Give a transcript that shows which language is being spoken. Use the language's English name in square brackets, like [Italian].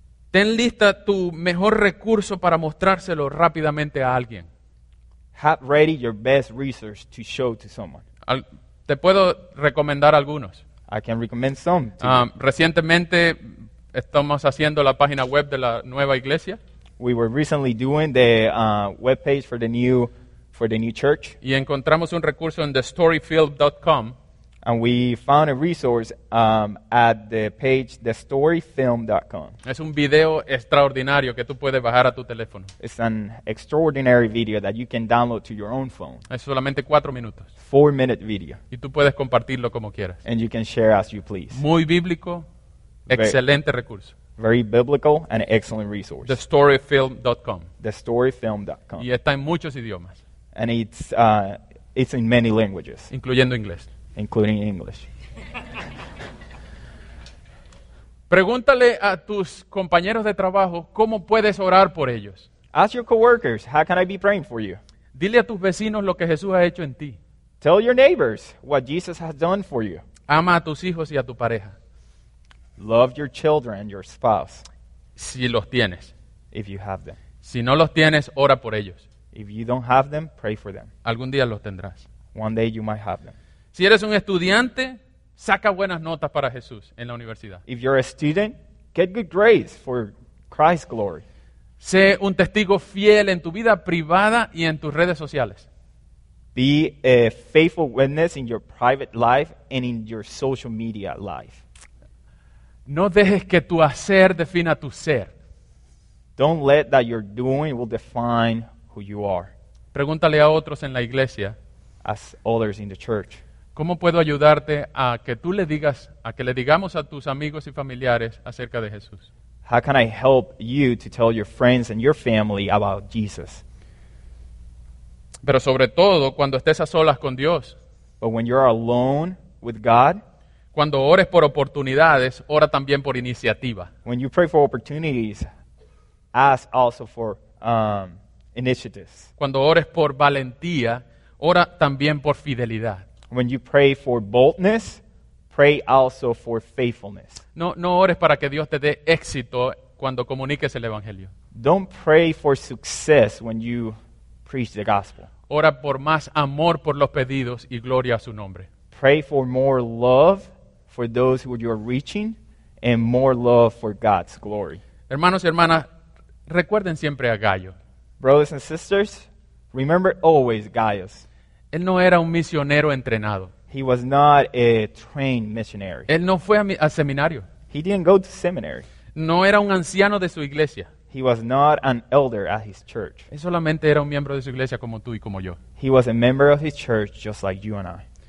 [Spanish] Ten lista tu mejor recurso para mostrárselo rápidamente a alguien. [English] Have ready your best research to show to someone. [Spanish] Te puedo recomendar algunos. [English] I can recommend some. [Spanish] Recientemente estamos haciendo la página web de la nueva iglesia. [English] We were recently doing the webpage for the new church. [Spanish] Y encontramos un recurso en thestoryfilm.com. [English] And we found a resource at the page thestoryfilm.com. [Spanish] Es un video extraordinario que tú puedes bajar a tu teléfono. [English] It's an extraordinary video that you can download to your own phone. [Spanish] Es solamente 4 minutos. [English] 4-minute video. [Spanish] Y tú puedes compartirlo como quieras. [English] And you can share as you please. [Spanish] Muy bíblico, excelente recurso. [English] Very biblical and excellent resource. [Spanish] Thestoryfilm.com. [English] Thestoryfilm.com. [Spanish] Y está en muchos idiomas. [English] And it's in many languages. [Spanish] Incluyendo inglés. [English] Including English. [Spanish] Pregúntale a tus compañeros de trabajo cómo puedes orar por ellos. [English] Ask your coworkers, how can I be praying for you? [Spanish] Dile a tus vecinos lo que Jesús ha hecho en ti. [English] Tell your neighbors what Jesus has done for you. [Spanish] Ama a tus hijos y a tu pareja. [English] Love your children, your spouse. [Spanish] Si los tienes. [English] If you have them. [Spanish] Si no los tienes, ora por ellos. [English] If you don't have them, pray for them. [Spanish] Algún día los tendrás. [English] One day you might have them. [Spanish] Si eres un estudiante, saca buenas notas para Jesús en la universidad. [English] If you're a student, get good grades for Christ's glory. [Spanish] Sé un testigo fiel en tu vida privada y en tus redes sociales. [English] Be a faithful witness in your private life and in your social media life. [Spanish] No dejes que tu hacer defina tu ser. [English] Don't let that your doing will define who you are. [Spanish] Pregúntale a otros en la iglesia. [English] Ask others in the church. [Spanish] ¿Cómo puedo ayudarte a que tú le digas, a que le digamos a tus amigos y familiares acerca de Jesús? [English] How can I help you to tell your friends and your family about Jesus? [Spanish] Pero sobre todo, cuando estés a solas con Dios. [English] But when you're alone with God. [Spanish] Cuando ores por oportunidades, ora también por iniciativa. [English] When you pray for opportunities, ask also for initiatives. [Spanish] Cuando ores por valentía, ora también por fidelidad. [English] When you pray for boldness, pray also for faithfulness. [Spanish] No ores para que Dios te dé éxito cuando comuniques el evangelio. [English] Don't pray for success when you preach the gospel. [Spanish] Ora por más amor por los pedidos y gloria a su nombre. [English] Pray for more love for those who you are reaching and more love for God's glory. [Spanish] Hermanos y hermanas, recuerden siempre a Gallo. [English] Brothers and sisters, remember always Gaius. [Spanish] Él no era un misionero entrenado. [English] He was not a trained missionary. [Spanish] Él no fue a seminario. [English] He didn't go to seminary. [Spanish] No era un anciano de su iglesia. [English] He was not an elder at his church. [Spanish] Él solamente era un miembro de su iglesia como tú y como yo. [English] He was a member of his church just like you and I.